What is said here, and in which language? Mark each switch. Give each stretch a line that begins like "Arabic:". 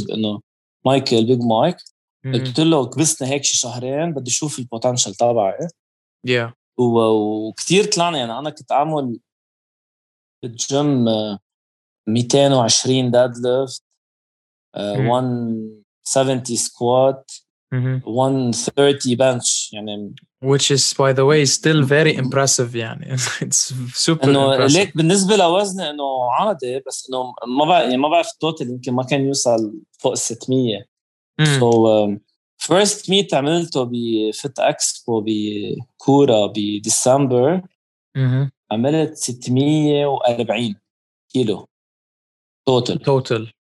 Arabic: حبيب إنه مايكل بيج مايك قلت له كبسنا هيك شي شهرين بدي أشوف البوتنشل تبعي
English: yeah.
Arabic: وكتير طلعنا يعني أنا كنت أعمل بالجيم 220 deadlift 170 squat Mm-hmm. 130 bench يعني
English: which is by the way still very impressive
Arabic: يعني
English: it's super
Arabic: إنه
English: impressive
Arabic: ليك بالنسبة لوزني إنه عادي بس إنه ما بعرف يعني ما بعرف التوتال يمكن ما كان يوصل فوق 600
English: so first meet
Arabic: عملته بفت اكسبو بكورة بديسمبر عملت 640 كيلو total